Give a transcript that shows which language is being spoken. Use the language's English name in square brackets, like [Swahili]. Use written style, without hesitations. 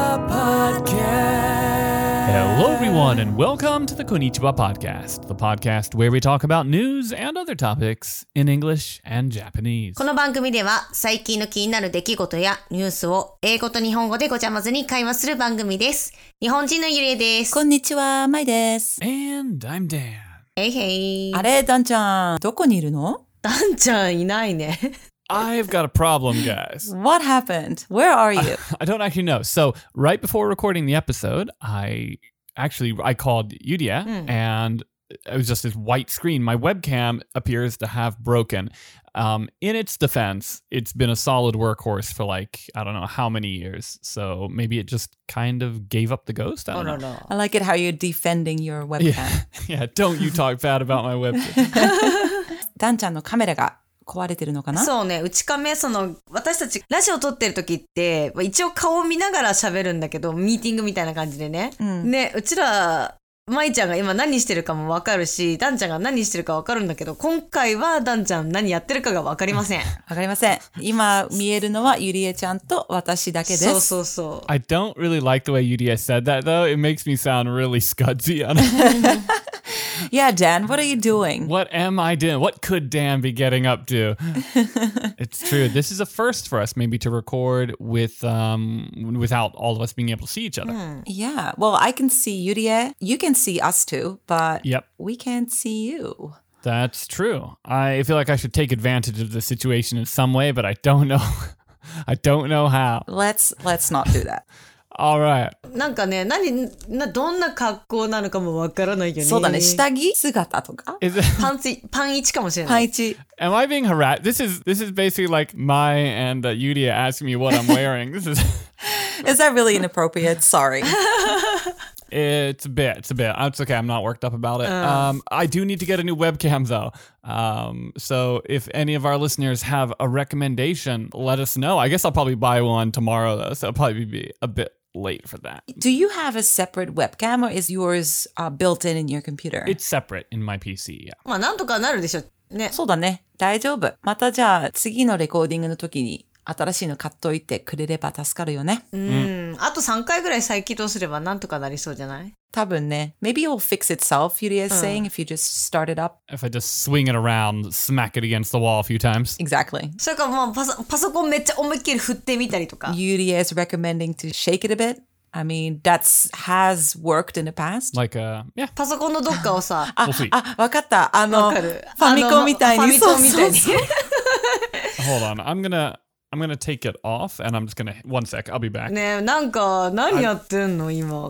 [English] Hello everyone and welcome to the Konnichiwa Podcast, the podcast where we talk about news and other topics in English and Japanese. [Japanese] この番組では最近の気になる出来事やニュースを英語と日本語でごちゃ混ぜに会話する番組です。日本人のゆれです。こんにちは、まいです。 [English] And I'm Dan. Hey, hey. [Japanese] あれ、ダンちゃん、どこにいるの？ダンちゃんいないね。 [English] I've got a problem, guys. What happened? Where are you? I don't actually know. So, right before recording the episode, I called Yuria, and it was just this white screen. My webcam appears to have broken. In its defense, it's been a solid workhorse for like, I don't know how many years. So, maybe it just kind of gave up the ghost? I don't know. I like it how you're defending your webcam. Yeah, yeah, don't you talk bad about my webcam. Dan-chan's camera got... [Japanese] 壊れてるのかな？そうね、うちカメ、その私たちラジオ撮ってる時って、まあ、一応顔を見ながら喋るんだけど、ミーティングみたいな感じでね、ね、うちらまいちゃんが今何してるかも分かるし、ダンちゃんが何してるか分かるんだけど、今回はダンちゃん何やってるかが分かりません。分かりません。今見えるのはユリエちゃんと私だけです。そうそうそう。 [English] I don't really like the way ユリエ said that though. It makes me sound really scudzy. Yeah, Dan, what are you doing? What am I doing? What could Dan be getting up to? It's true. This is a first for us, maybe, to record without all of us being able to see each other. Yeah, well, I can see Yurie. You can see us too, but we can't see you. That's true. I feel like I should take advantage of the situation in some way, but I don't know. I don't know how. Let's not do that. All right. [Japanese] なんかね、何、どんな格好なのかもわからないよね。そうだね、下着姿とか。パンツ、パン1かもしれない。パン1。 [English] Am I being harassed? This is basically like Mai and Yuria asking me what I'm wearing. Is that really inappropriate? Sorry. It's a bit. It's okay, I'm not worked up about it. I do need to get a new webcam though. So if any of our listeners have a recommendation, let us know. I guess I'll probably buy one tomorrow though, so I'll probably be a bit late for that. Do you have a separate webcam or is yours built in your computer? It's separate in my PC, yeah. [Japanese] まあなんとかなるでしょ。ね。そうだね。大丈夫。またじゃあ次のレコーディングの時に新しいの買っといてくれれば助かるよね。あと3回ぐらい再起動すればなんとかなりそうじゃない？多分ね。 [English] Maybe it will fix itself, Yuria is saying, if you just start it up. If I just swing it around, smack it against the wall a few times. Exactly. [Japanese] それかまあパソコンめっちゃ思いっきり振ってみたりとか。 [English] Yuria is recommending to shake it a bit. I mean, that has worked in the past. Like, [Japanese] パソコンのどっかをさ。あ、わかった。あの、ファミコンみたいに。ファミコンみたいに。 [English] Hold on, I'm gonna take it off and I'm just gonna. One sec, I'll be back. [Japanese] ねえ、なんか何やってんの今。